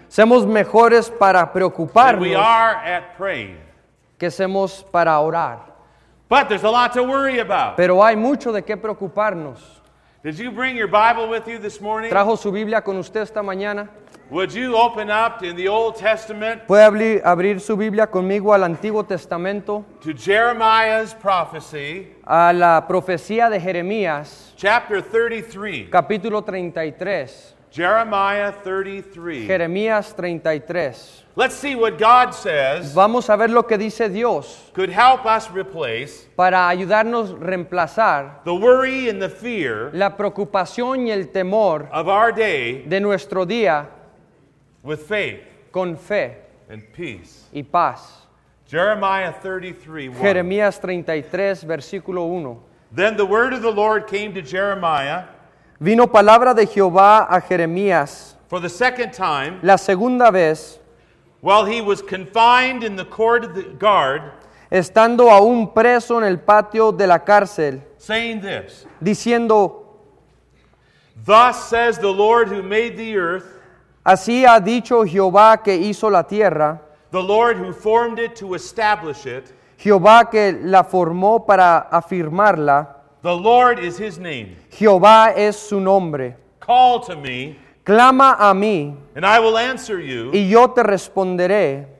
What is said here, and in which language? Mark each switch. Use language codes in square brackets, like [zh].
[es] somos mejores para preocuparnos, [en] than we are at praying, [es] que somos para orar. [en] But there's a lot to worry about. [es] Pero hay mucho de qué preocuparnos. [en] Did you bring your Bible with you this morning? [es] ¿Trajo su Biblia con usted esta mañana? [en] Would you open up in the Old Testament? [es] ¿Puede abrir su Biblia conmigo al Antiguo Testamento? [en] To Jeremiah's prophecy. [es] A la profecía de Jeremías. [en] Chapter 33. [es] Capítulo 33. [en] Jeremiah 33. [es] Jeremías 33. [en] Let's see what God says. [es] Vamos a ver lo que dice Dios. [en] Could help us replace. [es] Para ayudarnos reemplazar. [en] The worry and the fear. [es] La preocupación y el temor. [en] Of our day. [es] De nuestro día. [en] With faith. [es] Con fe. [en] And peace. [es] Y paz. [en] Jeremiah 33:1. [es] Jeremías 33, versículo 1. [en] Then the word of the Lord came to Jeremiah. [es] Vino palabra de Jehová a Jeremías. [en] For the second time. [es] La segunda vez. [en] While he was confined in the court of the guard, [es] estando aún preso en el patio de la cárcel, [en] saying this, [es] diciendo, [en] thus says the Lord who made the earth, [es] así ha dicho Jehová que hizo la tierra, [en] the Lord who formed it to establish it, [es] Jehová que la formó para afirmarla. [en] The Lord is his name. [es] Jehová es su nombre. [en] Call to me. [es] Clama a mí. [en] And I will answer you. [es] Y yo te responderé.